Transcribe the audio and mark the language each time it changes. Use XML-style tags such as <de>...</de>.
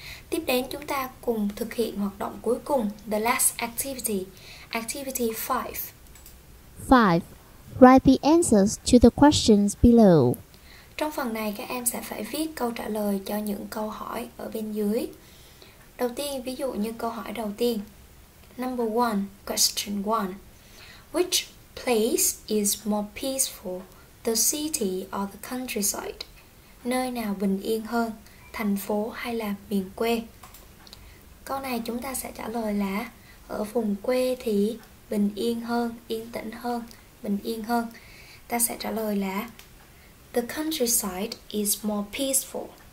<vi>Tiếp đến chúng ta cùng thực hiện hoạt động cuối cùng,</vi> <en>the last activity,</en> <vi>activity 5.</vi> <en>5. Write the answers to the questions below.</en> <vi>Trong phần này các em sẽ phải viết câu trả lời cho những câu hỏi ở bên dưới. Đầu tiên, ví dụ như câu hỏi đầu tiên.</vi> <en>Number 1, question 1. Which place is more peaceful, the city or the countryside?</en> <vi>Nơi nào bình yên hơn, thành phố hay là miền quê? Câu này chúng ta sẽ trả lời là ở vùng quê thì bình yên hơn, yên tĩnh hơn, bình yên hơn. Ta sẽ trả lời là</vi> <en>the countryside is more peaceful.</en>